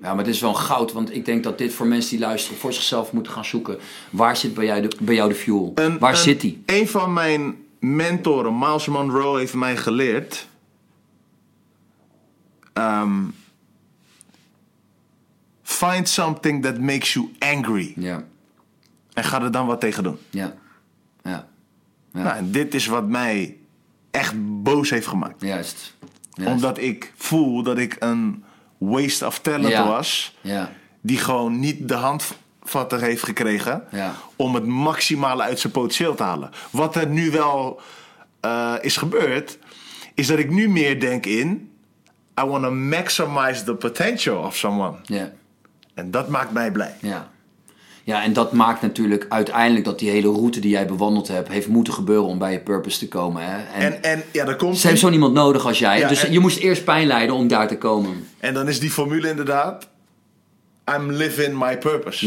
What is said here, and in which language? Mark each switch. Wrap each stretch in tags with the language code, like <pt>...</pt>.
<nl>Ja, maar het is wel een goud. Want ik denk dat dit voor mensen die luisteren... voor zichzelf moeten gaan zoeken. Waar zit bij jou de fuel? Waar zit die? Een van mijn mentoren, Miles Monroe, heeft mij geleerd...</nl> <en>find something that makes you angry.</en> <nl>Ja. En ga er dan wat tegen doen. Ja. Ja. Ja. Nou, en dit is wat mij echt boos heeft gemaakt. Juist.</nl> <en>Yes.</en> <nl>Omdat ik voel dat ik een</nl> <en>waste of talent</en> <nl>was. Ja. Die gewoon niet de handvatten heeft gekregen. Ja. Om het maximale uit zijn potentieel te halen. Wat er nu wel is gebeurd. Is dat ik nu meer denk in.</nl> <en>I want to maximize the potential of someone.</en> <nl>Ja. En dat maakt mij blij. Ja. Ja, en dat maakt natuurlijk uiteindelijk dat die hele route die jij bewandeld hebt, heeft moeten gebeuren om bij je purpose te komen. Hè? En ja, daar komt... Ze hebben zo niemand nodig als jij. Ja, dus en... je moest eerst pijn lijden om daar te komen. En dan is die formule inderdaad,</nl> <en>I'm living my purpose.</en>